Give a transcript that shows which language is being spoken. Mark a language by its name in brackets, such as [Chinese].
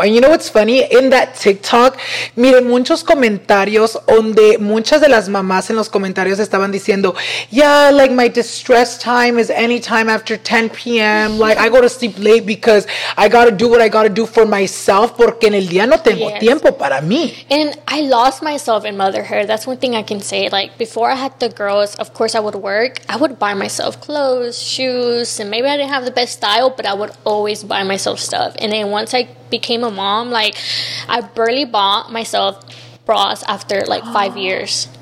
[English] And you know what's funny? In that TikTok, [Spanish] miren muchos comentarios donde muchas de las mamás en los comentarios estaban diciendo, [English] yeah, like my distress time is anytime after 10 p.m. Like I go to sleep late because I gotta do what I gotta do for myself. [Spanish] Porque en el día no tengo tiempo para mí. [English] And I lost myself in motherhood. That's one thing I can say. Like before I had the girls, of course I would work. I would buy myself clothes, shoes, and maybe I didn't have the best style, but I would always buy myself stuff. And then once I became a mom, like I barely bought myself bras after like 5 years.